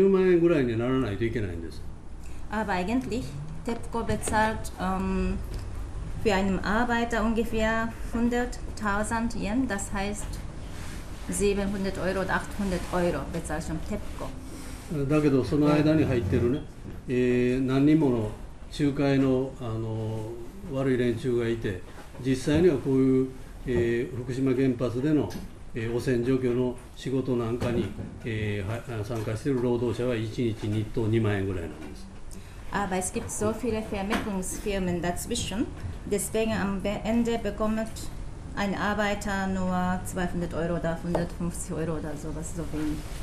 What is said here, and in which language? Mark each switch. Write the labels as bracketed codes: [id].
[ja] 実際はね、政府が出しているお金から言うとね、東京電力が出しているお金から言うとね、1日の日当は10万円ぐらいにならないといけないんです。 [de] Aber eigentlich, TEPCO bezahlt für einen Arbeiter ungefähr 100.000 Yen, das heißt 700 Euro oder 800 Euro bezahlt schon TEPCO. [ja] だけどその間に入ってるね、何人もの仲介の悪い連中がいて、実際にはこういう福島原発での汚染状況の仕事なんかに参加している労働者は1日日当2万円ぐらいなんです。 [de] Aber es gibt so viele Vermittlungsfirmen dazwischen, deswegen am Ende bekommt ein Arbeiter nur 200 Euro oder 150 Euro oder sowas, so wenig.